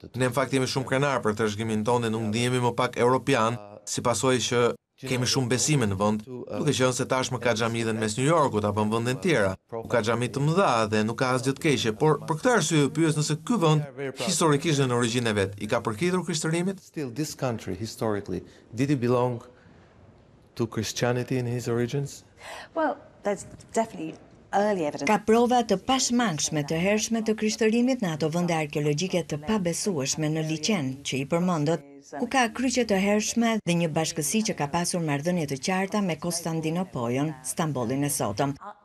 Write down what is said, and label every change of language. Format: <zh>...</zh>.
<sq>Ne në fakt jemi shumë krenar për trashëgimin tonë dhe nuk ndihemi më pak europian, si pasojë që kemi shumë besime në vend, duke qenë se tashmë ka xhami edhe në mes New Yorkut apo në vendet e tjera. Nuk ka xhami të mëdha dhe nuk ka asgjë të keqe, por për këtë arsye pyes nëse ky vend historikisht në origjinën e vet i ka përkithur krishterimit?</sq> <en>Still this country historically did it belong to Christianity in his origins? Well, there's definitely</en> <sq>ka prova të pashmangshme të hershme të krishterimit në ato vende arkeologjike të pabesueshme në Liqen, që i përmendët, ku ka kryqe të hershme dhe një bashkësi që ka pasur marrëdhënie të qarta me Konstantinopolin, Stambolin e sotëm.</sq>